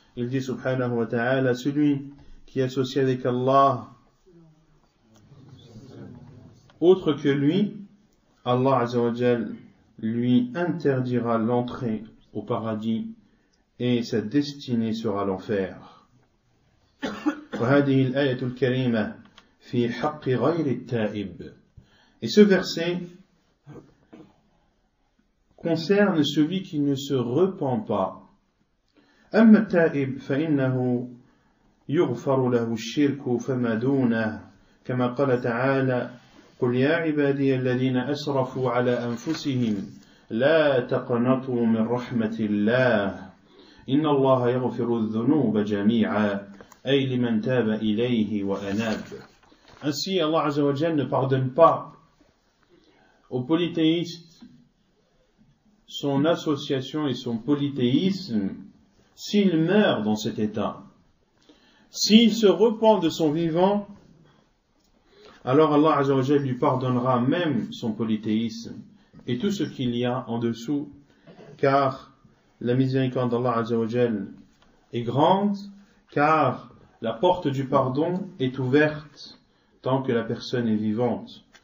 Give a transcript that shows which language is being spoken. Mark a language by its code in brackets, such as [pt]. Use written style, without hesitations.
[fr] Il dit subhanahu wa ta'ala, celui qui associe avec Allah autre que lui, Allah azza wa jal lui interdira l'entrée au paradis et sa destinée sera l'enfer. [ar] وهذه الآية الكريمة في حق غير التائب. [fr] Et ce verset concerne celui qui ne se repent pas. [ar] أما التائب فإنه يغفر له الشرك فما دونه كما قال تعالى قل يا عبادي الذين أسرفوا على أنفسهم لا تقنطوا من رحمة الله إن الله يغفر الذنوب جميعا. أي لمن تاب إليه وأناب. [fr] Ainsi, Allah Azza wa Jalla ne pardonne pas aux polythéistes son association et son polythéisme s'il meurt dans cet état. S'il se repent de son vivant, alors Allah Azza wa Jalla lui pardonnera même son polythéisme et tout ce qu'il y a en dessous, car la miséricorde d'Allah Azza wa Jalla est grande, car la porte du pardon est ouverte tant que la personne est vivante.